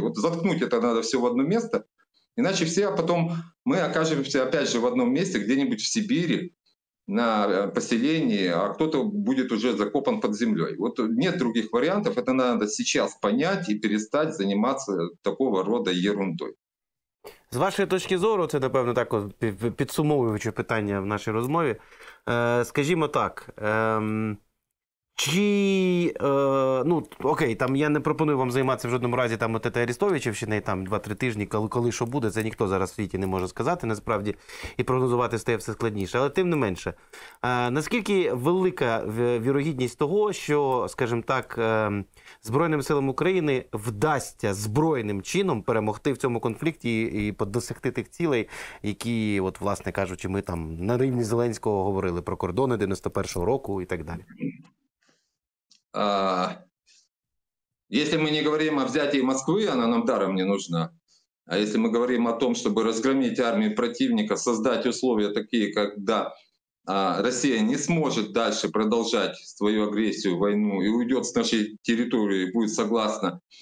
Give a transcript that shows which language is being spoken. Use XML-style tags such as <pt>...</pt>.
<ru>Вот заткнуть это надо все в одно место, иначе все потом мы окажемся опять же в одном месте, где-нибудь в Сибири, на поселении, а кто-то будет уже закопан под землей. Вот нет других вариантов, это надо сейчас понять и перестать заниматься такого рода ерундой.</ru> <uk>З вашої точки зору, це, напевно, так підсумовуючи питання в нашій розмові, скажімо так, чи, ну, окей, там я не пропоную вам займатися в жодному разі там</uk> <ru>от этой</ru> <uk>Арестовичівщини, там 2-3 тижні, коли що буде, це ніхто зараз в світі не може сказати, насправді, і прогнозувати стає все складніше. Але тим не менше, наскільки велика вірогідність того, що, скажімо так, Збройним силам України вдасться збройним чином перемогти в цьому конфлікті і досягти тих цілей, які, от, власне кажучи, ми там на рівні Зеленського говорили про кордони 91-го року і так далі?</uk> <ru>Если мы не говорим о взятии Москвы, она нам даром не нужна. А если мы говорим о том, чтобы разгромить армию противника, создать условия такие, когда Россия не сможет дальше продолжать свою агрессию, войну и уйдет с нашей территории, и будет согласна</ru>